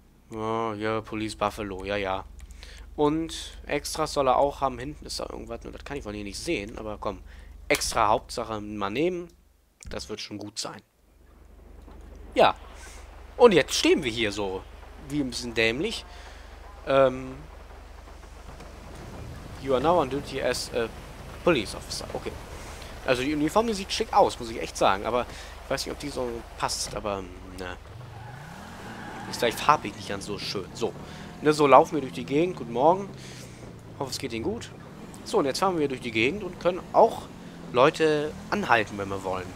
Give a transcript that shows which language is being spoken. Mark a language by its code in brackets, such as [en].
[de] Ja, ja, Police Buffalo, ja, ja. Und Extras soll er auch haben. Hinten ist da irgendwas, nur das kann ich von hier nicht sehen. Aber komm, extra Hauptsache mal nehmen. Das wird schon gut sein. Ja. Und jetzt stehen wir hier so. Wie ein bisschen dämlich. [en] You are now on duty as a police officer. Okay. [de] Also die Uniform sieht schick aus, muss ich echt sagen. Aber ich weiß nicht, ob die so passt. Aber, ne. Ist vielleicht farbig nicht ganz so schön. So. Ne, so laufen wir durch die Gegend. Guten Morgen. Hoffe, es geht Ihnen gut. So, und jetzt fahren wir durch die Gegend und können auch Leute anhalten, wenn wir wollen.